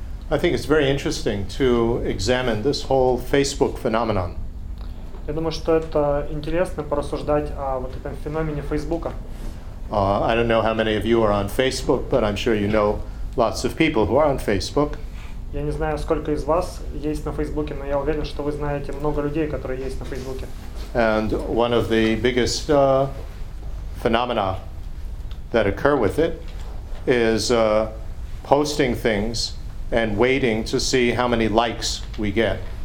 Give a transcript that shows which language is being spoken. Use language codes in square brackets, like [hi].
[en] I think it's very interesting to examine this whole Facebook phenomenon. [ru] Я думаю, что это интересно порассуждать о вот этом феномене Фейсбука. [en] I don't know how many of you are on Facebook, but I'm sure you know lots of people who are on Facebook. [ru] Я не знаю, сколько из вас есть на Фейсбуке, но я уверен, что вы знаете много людей, которые есть на Фейсбуке. [en] And one of the biggest phenomena that occur with it is posting things and waiting to see how many likes we get.